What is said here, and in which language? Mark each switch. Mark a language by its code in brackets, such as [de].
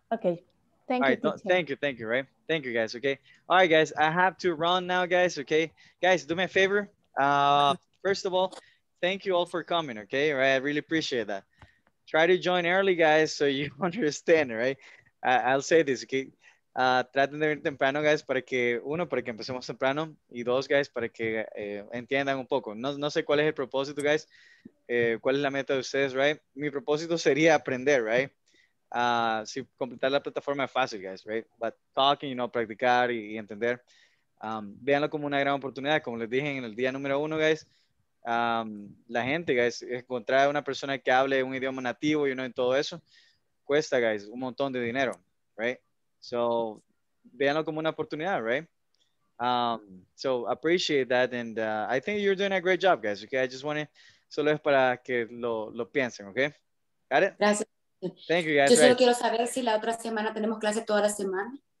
[en] Okay. Thank you, teacher. Thank you, right? Thank you, guys. Okay. All right, guys. I have to run now, guys. Okay. Guys, do me a favor. First of all, thank you all for coming. Okay. All right. I really appreciate that. Try to join early, guys, so you understand. Right. I'll say this. Okay. [es] Traten de venir temprano, guys, para que empecemos temprano. Y dos, guys, para que entiendan un poco. No sé cuál es el propósito, guys. ¿Cuál es la meta de ustedes? Right. Mi propósito sería aprender. Right. Si completar la plataforma es fácil, guys, right? [en] But talking, you know, [es] practicar y entender. Véanlo como una gran oportunidad. Como les dije en el día número uno, guys, la gente, guys, encontrar una persona que hable un idioma nativo, [en] you know, [es] en todo eso, cuesta, guys, un montón de dinero, right? So, véanlo como una oportunidad, right? [en] So, appreciate that, and I think you're doing a great job, guys, okay? I just want to, [es] solo es para que lo piensen, [en] okay? Got it? [es] Gracias. [en] Thank you, guys. [es] Yo solo right. quiero saber si la otra semana tenemos clase toda la semana.